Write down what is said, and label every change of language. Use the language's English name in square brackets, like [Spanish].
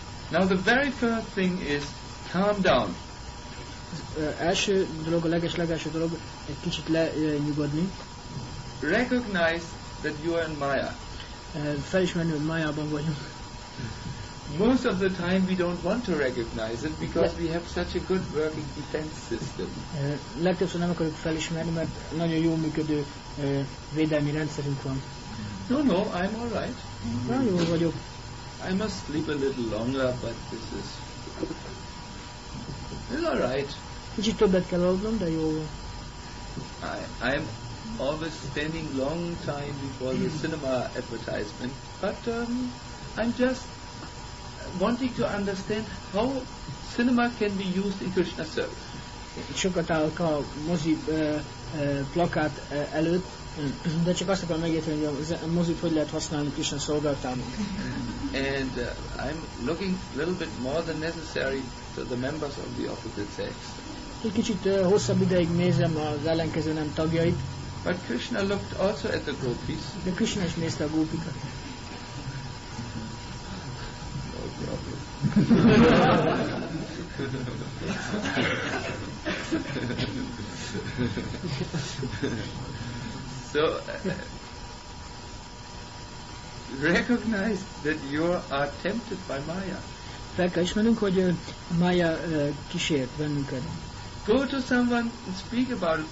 [English] Now the very first thing is calm down. [Hungarian] Első dolog, a legeslegelső dolog, egy kicsit lenyugodni. [English] Recognize that you are in Maya. [Hungarian] Felismerni, hogy Mayában vagyunk. [English] Most of the time we don't want to recognize it because we have such a good working defense system. [Hungarian] Legtöbbször nem akarjuk felismerni, mert nagyon jó működő védelmi rendszerünk van. [English] No, I'm all right. [Hungarian] Nagyon jó vagyok. [English] I must sleep a little longer, but this is all right. [Hungarian] Kicsit többet kell aludnom, de jó. [English] I'm always standing long time before the cinema advertisement, but I'm just wanting to understand how cinema can be used in Krishna service. [Hungarian] Sokat állok a mozi plakát előtt, de csak azt akarom megérteni, hogy a mozit hogy lehet használni Krishna szolgálatában. [English] And I'm looking a little bit more than necessary to the members of the opposite sex. [Hungarian] Egy kicsit hosszabb ideig nézem az ellenkező nem tagjait. [English] But Krishna looked also at the gopis. [Hungarian] De Krishna is nézte a gópikat. [English] No problem. So recognize that you are tempted by Maya. [Hungarian] Fel kell ismernünk, hogy Maya kísért bennünket. [English] Go to someone and speak about it.